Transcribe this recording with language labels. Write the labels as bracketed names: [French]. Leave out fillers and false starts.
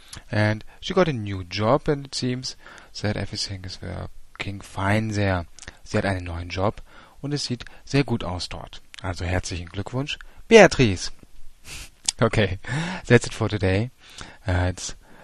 [English] And she got a new job and it seems that everything is working fine there. [German] Sie hat einen neuen Job und es sieht sehr gut aus dort. Also herzlichen Glückwunsch, Beatrice! [English] Okay, that's it for today. It's